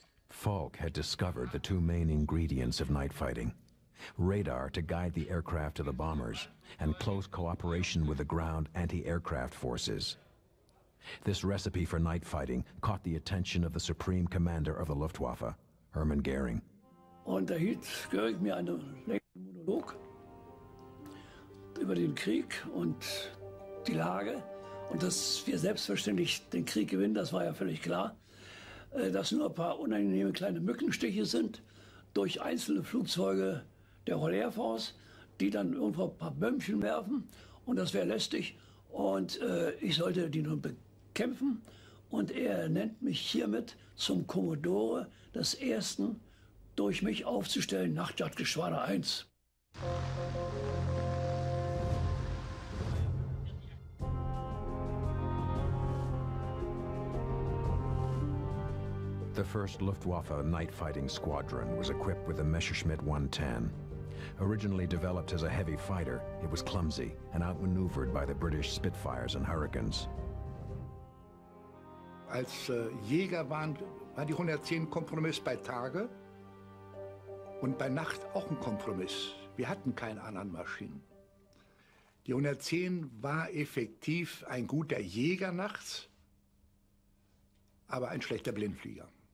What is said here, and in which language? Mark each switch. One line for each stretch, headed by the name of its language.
English: Falk had discovered the two main ingredients of night fighting: radar to guide the aircraft to the bombers and close cooperation with the ground anti-aircraft forces. This recipe for night fighting caught the attention of the supreme commander of the Luftwaffe, Hermann Göring.
German: Und da hielt Göring mir einen längeren Monolog über den Krieg und die Lage und dass wir selbstverständlich den Krieg gewinnen, das war ja völlig klar, dass nur ein paar unangenehme kleine Mückenstiche sind durch einzelne Flugzeuge der Royal Air Force, die dann irgendwo ein paar Bömmchen werfen und das wäre lästig und ich sollte die nun bekämpfen und er nennt mich hiermit zum Kommodore des ersten durch mich aufzustellen Nachtjagdgeschwader 1.
English: The first Luftwaffe night fighting squadron was equipped with the Messerschmitt 110. Originally developed as a heavy fighter, it was clumsy and outmaneuvered by the British Spitfires and Hurricanes.
German: Als Jäger war die 110 Kompromiss bei Tage und bei Nacht auch ein Kompromiss. Wir hatten keine anderen Maschinen. Die 110 war effektiv ein guter Jäger nachts, aber ein schlechter Blindflieger.